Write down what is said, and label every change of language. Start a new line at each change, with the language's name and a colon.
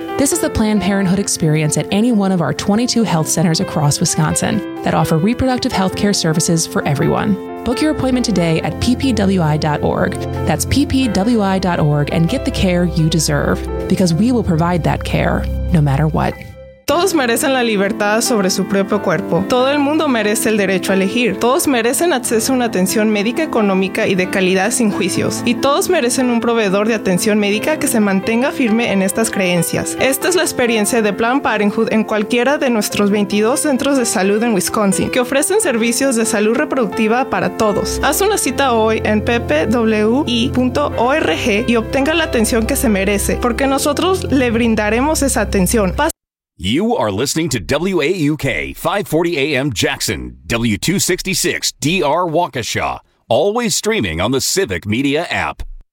English: This is the Planned Parenthood experience at any one of our 22 health centers across Wisconsin that offer reproductive health care services for everyone. Book your appointment today at ppwi.org. That's ppwi.org, and get the care you deserve, because we will provide that care no matter what.
Spanish: Todos merecen la libertad sobre su propio cuerpo. Todo el mundo merece el derecho a elegir. Todos merecen acceso a una atención médica económica y de calidad sin juicios. Y todos merecen un proveedor de atención médica que se mantenga firme en estas creencias. Esta es la experiencia de Planned Parenthood en cualquiera de nuestros 22 centros de salud en Wisconsin, que ofrecen servicios de salud reproductiva para todos. Haz una cita hoy en ppwi.org y obtenga la atención que se merece, porque nosotros le brindaremos esa atención.
English: You are listening to WAUK 540 AM Jackson, W266 DR Waukesha, always streaming on the Civic Media app.